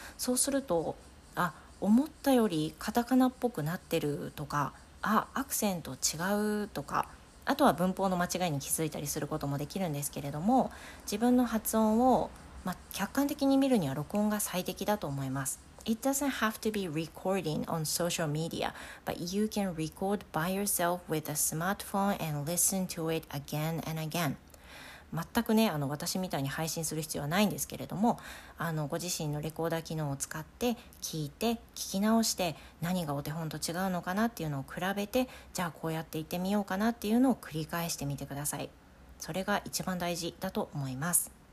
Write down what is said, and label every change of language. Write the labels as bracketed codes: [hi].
[ja] そうすると、あ、思ったよりカタカナっぽくなってるとか、あ、アクセント違うとか、あとは文法の間違いに気づいたりすることもできるんですけれども、自分の発音を、まあ、客観的に見るには録音が最適だと思います。 [en] It doesn't have to be recording on social media, but you can record by yourself with a smartphone and listen to it again and again. [ja] 全くね、私みたいに配信する必要はないんですけれども、ご自身のレコーダー機能を使って聞いて、聞き直して、何がお手本と違うのかなっていうのを比べて、じゃあこうやって言ってみようかなっていうのを繰り返してみてください。それが一番大事だと思います。